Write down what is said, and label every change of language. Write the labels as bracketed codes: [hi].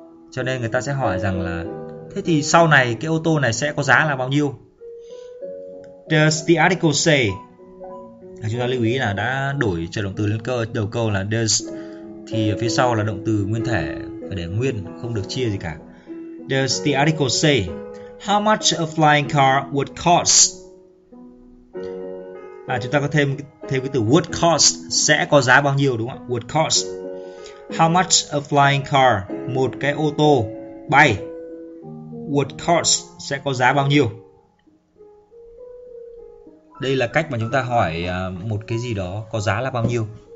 [vi] Cho nên người ta sẽ hỏi rằng là thế thì sau này cái ô tô này sẽ có giá là bao nhiêu? [en] Does the article say? [vi] Chúng ta lưu ý là đã đổi trợ động từ lên cơ, đầu câu là [en] does [vi] thì phía sau là động từ nguyên thể phải để nguyên, không được chia gì cả. [en] Does the article say how much a flying car would cost? [vi] Chúng ta có thêm cái từ [en] would cost, [vi] sẽ có giá bao nhiêu đúng không ạ? [en] Would cost. How much a flying car, [vi] một cái ô tô bay, [en] would cost, [vi] sẽ có giá bao nhiêu? Đây là cách mà chúng ta hỏi một cái gì đó có giá là bao nhiêu.